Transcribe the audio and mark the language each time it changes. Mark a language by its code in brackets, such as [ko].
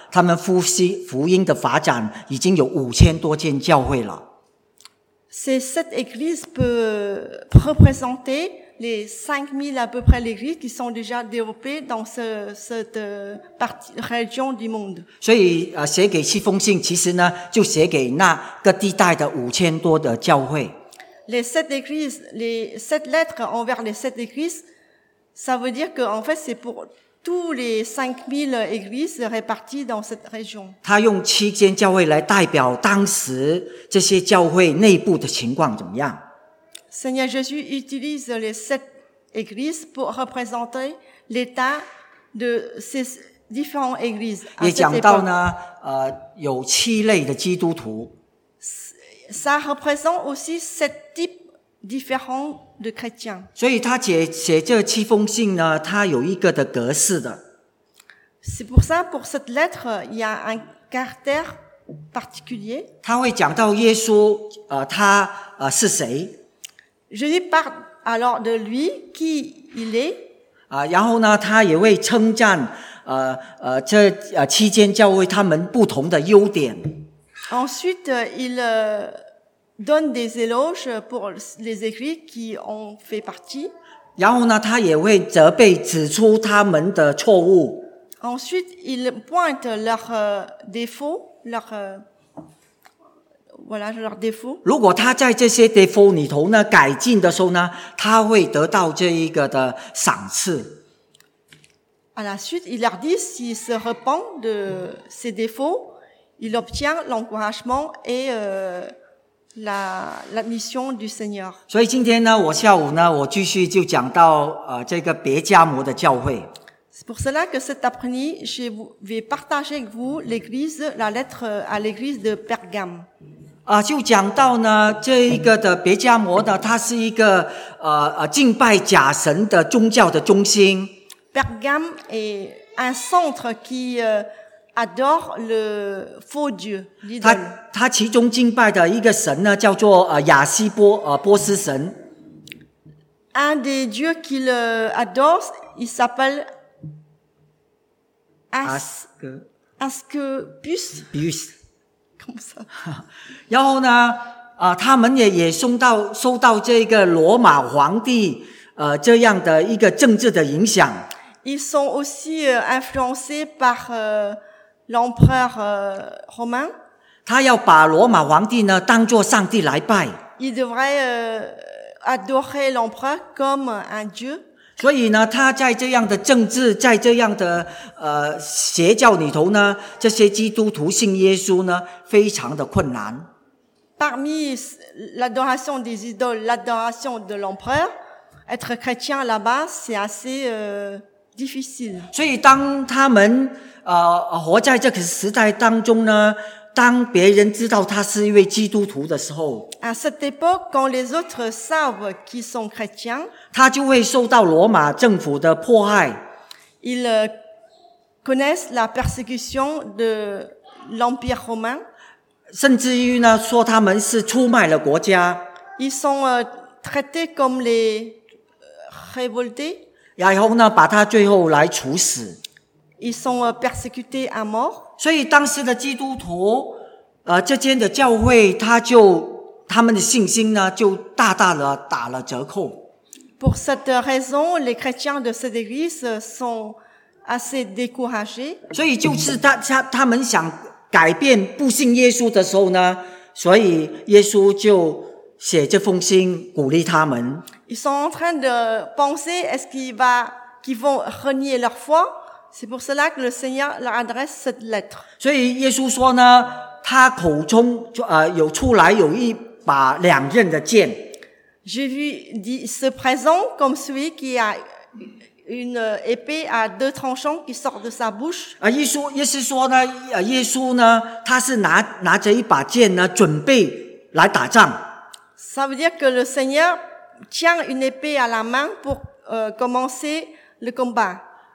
[zh] 他们福音的发展已经有5000多间教会了。 [fr] Ces sept églises peuvent représenter les 5000 à peu près églises qui sont déjà développées dans cette région du monde. [zh] 所以写给七封信，其实呢就写给那个地带的5000多的教会。 [fr] Les sept églises, les sept lettres envers les sept églises, ça veut dire que en fait c'est pour tous les 5000 églises réparties dans cette région. [zh] 他用七间教会来代表当时这些教会内部的情况怎么样？ [fr] Seigneur Jésus utilise les sept églises pour représenter l'état de ces différentes églises. [zh] 也讲到呢，有七类的基督徒。 [fr] Ça représente aussi sept types différents. 的 chrétien. [zh] 所以他写这七封信呢，他有一个的格式的。 [fr] C'est pour ça, pour cette lettre, il y a un caractère particulier. [zh] 他会讲到耶稣，他是谁。 [fr] Je lui parle alors de lui, qui il est. [zh] 然后呢，他也会称赞，这七间教会他们不同的优点。 [fr] Ensuite, ilDonne des éloges pour les églises qui ont fait partie. [zh] 然后呢，他也会责备指出他们的错误。 [fr] Ensuite, il pointe leurs défauts, leurs défauts. [zh] 如果他在这些 [fr] défauts [zh] 里头呢改进的时候呢，他会得到这一个的赏赐。 [fr] À la suite, il leur dit s'il se repent de ses défauts, il obtient l'encouragement et l'admission du Seigneur. [zh] 所以今天呢，我下午呢，我继续就讲到这个别加摩的教会。 [fr] C'est pour cela que cet après-midi, je vais partager avec vous l'église, la lettre à l'église de Pergame. [zh] 就讲到呢，这一个的别加摩呢，它是一个敬拜假神的宗教的中心。 [fr] Pergame est un centre qui adore le faux dieu, l'idole. [zh] 他其中敬拜的一个神呢，叫做亚西波波斯神。 [fr] Un des dieux qu'il adore, il s'appelle Asclepius. Bus. Comme ça. [zh] 然后呢，他们也受到这个罗马皇帝这样的一个政治的影响。 [fr] Ils sont aussi influencés par l'empereur romain. [zh] 他要把罗马皇帝呢当作上帝来拜。 [fr] Il devrait adorer l'empereur comme un dieu. [zh] 所以呢，他在这样的政治，在这样的邪教里头呢，这些基督徒信耶稣呢，非常的困难。 [fr] Parmi l'adoration des idoles, l'adoration de l'empereur, être chrétien là-bas, c'est assez difficile. [zh] 所以当他们活在这个时代当中呢，当别人知道他是一位基督徒的时候， [fr] à cette époque, quand les autres savent qu'ils sont chrétiens, [zh] 他就会受到罗马政府的迫害。 [fr] Ils connaissent la persécution de l'Empire romain. [zh] 甚至于呢，说他们是出卖了国家。 [fr] Ils sont traités comme les révoltés. [zh] 然后呢，把他最后来处死。 [fr] Ils sont persécutés à mort. [zh] 所以当时的基督徒，这间的教会，他们的信心呢，就大大的打了折扣。 [fr] Pour cette raison, les chrétiens de cette église sont assez découragés. [zh] 所以就是他们想改变不信耶稣的时候呢，所以耶稣就写这封信鼓励他们。 [fr] Ils sont en train de penser est-ce qu'ils vont renier leur foi? C'est pour cela que le Seigneur leur adresse cette lettre. [zh] 所以耶稣说呢，他口中有出来有一把两刃的剑。 [fr] Jésus se présente comme celui qui a une épée à deux tranchants qui sort de sa bouche. [zh] 意思说呢，耶稣呢，他是拿着一把剑呢，准备来打仗。 [fr] Ça veut dire que le Seigneur tient une épée à la main pour commencer le combat.